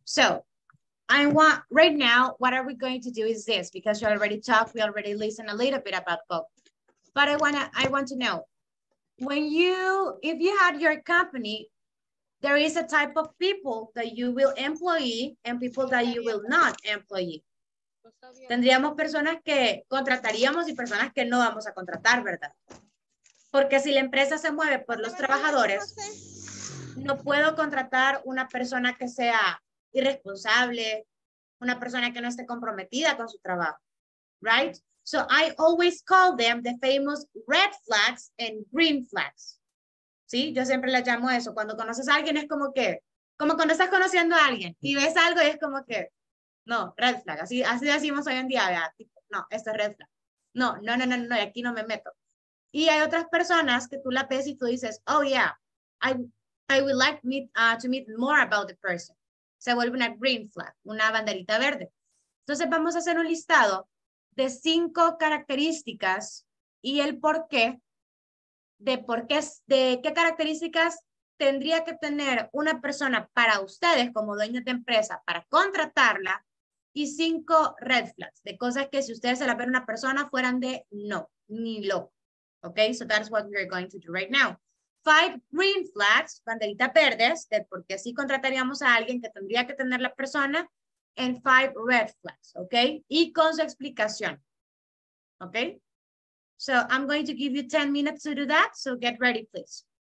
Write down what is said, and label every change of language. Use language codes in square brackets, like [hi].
[en] So, I want right now, what are we going to do is this, because you already talked, we already listened a little bit about both. But I want to know, if you had your company, there is a type of people that you will employ and people that you will not employ. [es] Tendríamos personas que contrataríamos y personas que no vamos a contratar, ¿verdad? Porque si la empresa se mueve por los trabajadores, no puedo contratar una persona que sea irresponsable, una persona que no esté comprometida con su trabajo, right? [en] So I always call them the famous red flags and green flags. [es] ¿Sí? Yo siempre la llamo eso. Cuando conoces a alguien es como que, como cuando estás conociendo a alguien y ves algo y es como que, no, red flag. Así decimos hoy en día, ¿verdad? No, esto es red flag. No, aquí no me meto. Y hay otras personas que tú la ves y tú dices, [en] oh yeah, I would like to meet more about the person. [es] Se vuelve una green flag, una banderita verde. Entonces vamos a hacer un listado de 5 características y el porqué de por qué, de qué características tendría que tener una persona para ustedes como dueños de empresa para contratarla y 5 red flags, de cosas que si ustedes se la ven a una persona fueran de no, ni loco. [en] Okay, so that's what we're going to do right now. [es] 5 green flags, banderita verdes, de por qué sí contrataríamos a alguien que tendría que tener la persona, [en] and 5 red flags, okay? [es] Y con su explicación, okay? [en] So I'm going to give you 10 minutes to do that, so get ready, please.